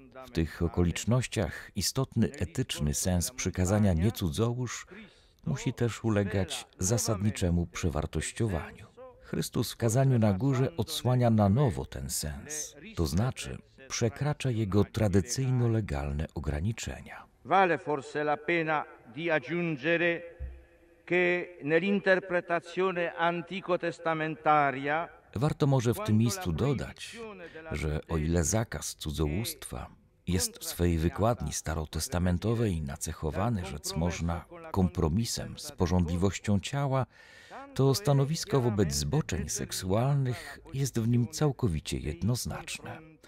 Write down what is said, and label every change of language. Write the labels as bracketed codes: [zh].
[pl] W tych okolicznościach istotny etyczny sens przykazania nie cudzołóż musi też ulegać zasadniczemu przewartościowaniu. Chrystus w kazaniu na górze odsłania na nowo ten sens, to znaczy przekracza jego tradycyjno-legalne ograniczenia. [it] Vale forse la pena di aggiungere che nell'interpretazione antico-testamentaria. [pl] Warto może w tym miejscu dodać, że o ile zakaz cudzołóstwa jest w swej wykładni starotestamentowej nacechowany, rzec można, kompromisem z porządliwością ciała, to stanowisko wobec zboczeń seksualnych jest w nim całkowicie jednoznaczne.